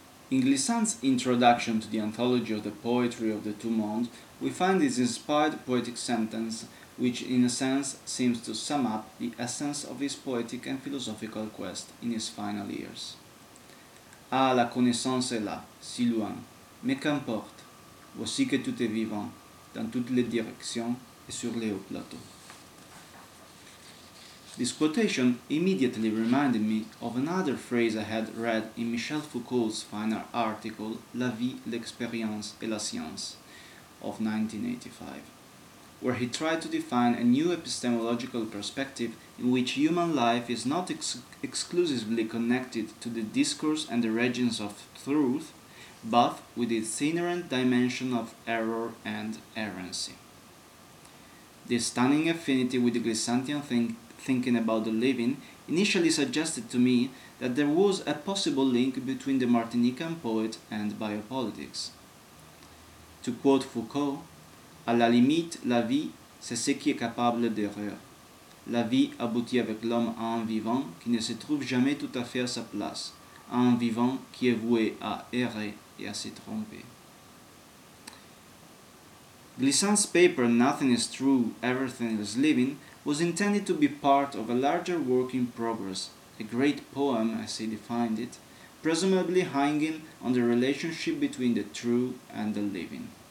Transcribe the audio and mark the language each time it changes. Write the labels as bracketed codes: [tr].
[en] In Glissant's introduction to the anthology of the poetry of the Tout Monde, we find his inspired poetic sentence, which in a sense seems to sum up the essence of his poetic and philosophical quest in his final years. [fr] Ah, la connaissance est là, si loin, mais qu'importe, voici que tout est vivant, dans toutes les directions et sur les hauts plateaux. [en] This quotation immediately reminded me of another phrase I had read in Michel Foucault's final article La vie, l'expérience et la science of 1985, where he tried to define a new epistemological perspective in which human life is not exclusively connected to the discourse and the regions of truth, but with its inherent dimension of error and errancy. The stunning affinity with the Glissantian thinking about the living initially suggested to me that there was a possible link between the Martinican poet and biopolitics. To quote [fr] Foucault, à la limite, la vie, c'est ce qui est capable d'erreur. La vie aboutit avec l'homme à un vivant qui ne se trouve jamais tout à fait à sa place, à un vivant qui est voué à errer et à se tromper. [en] Glissant's paper Nothing is True, Everything is Living was intended to be part of a larger work in progress, a great poem, as he defined it, presumably hanging on the relationship between the true and the living.